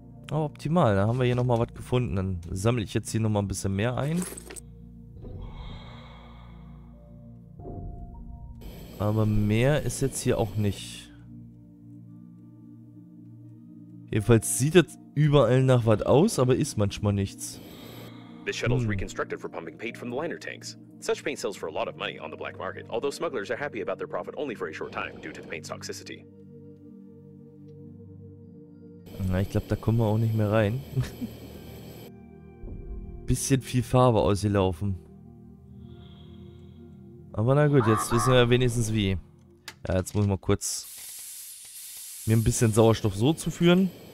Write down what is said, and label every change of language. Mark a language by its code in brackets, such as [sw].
[de] Oh, optimal. Da haben wir hier nochmal was gefunden. Dann sammle ich jetzt hier nochmal ein bisschen mehr ein. Aber mehr ist jetzt hier auch nicht. Jedenfalls sieht das überall nach was aus, aber ist manchmal nichts. [en] This shuttle is reconstructed for pumping paint from the liner tanks. Such paint sells for a lot of money on the black market, although smugglers are happy about their profit only for a short time due to the paint's toxicity. [de] Na, ich glaube, da kommen wir auch nicht mehr rein. Bisschen viel Farbe ausgelaufen. Aber na gut, jetzt wissen wir wenigstens wie. Ja, jetzt muss ich mal kurz mir ein bisschen Sauerstoff so zuführen.